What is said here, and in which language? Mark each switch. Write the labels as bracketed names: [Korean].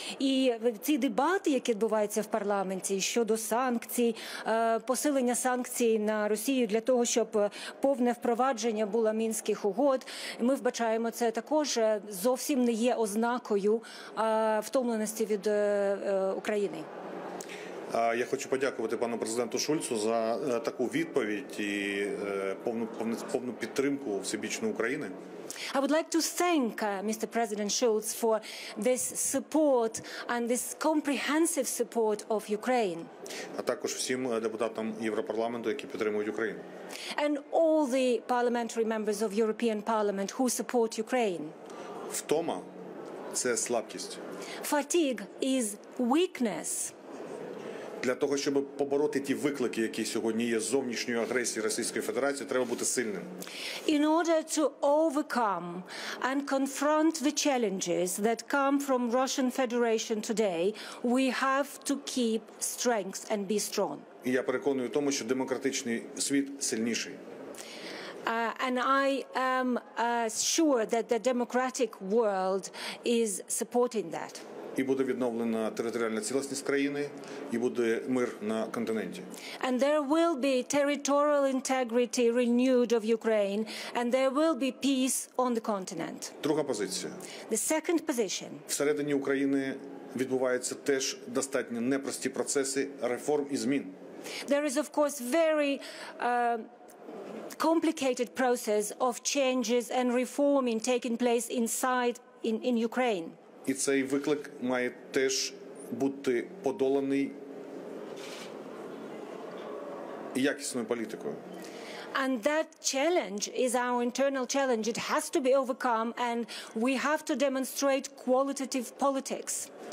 [Ukrainian] І ці дебати, які відбуваються в парламенті щодо санкцій, посилення санкцій на Росію для того, щоб повне впровадження було Мінських угод, ми вбачаємо це також зовсім не є ознакою втомленості від України. Я хочу подякувати пану президенту Шульцу за таку відповідь і повну підтримку всебічну України. [English] I would like to thank Mr. President Schulz for this support and this comprehensive support of Ukraine. [Ukrainian] А також всім депутатам Європарламенту, які підтримують Україну. [English] And all the parliamentary members of European Parliament who support Ukraine. [Ukrainian] Втома це слабкість. [English] Fatigue is weakness. [Ukrainian] Для того, щоб побороти ті виклики, які сьогодні є зовнішньою агресією Російської Федерації, треба бути сильним. [English] In order to overcome and confront the challenges that come from Russian Federation today, we have to keep strength and be strong. [Ukrainian] І я переконую в тому, що демократичний світ сильніший. [English] And I am sure that the democratic world is supporting that. [Ukrainian] і буде відновлена територіальна цілісність країни, і буде мир на континенті. [English] And there will be territorial integrity renewed of Ukraine, and there will be peace on the continent. [Ukrainian] Друга позиція. [English] The second position. [Ukrainian] Всередині України відбуваються теж достатньо непрості процеси реформ і змін. [English] There is of course very complicated process of changes and reforming taking place inside in Ukraine. [Ukrainian] І цей виклик має теж бути подоланий якісною політикою. [English] And that challenge is our internal challenge. It has to be overcome and we have to demonstrate qualitative politics.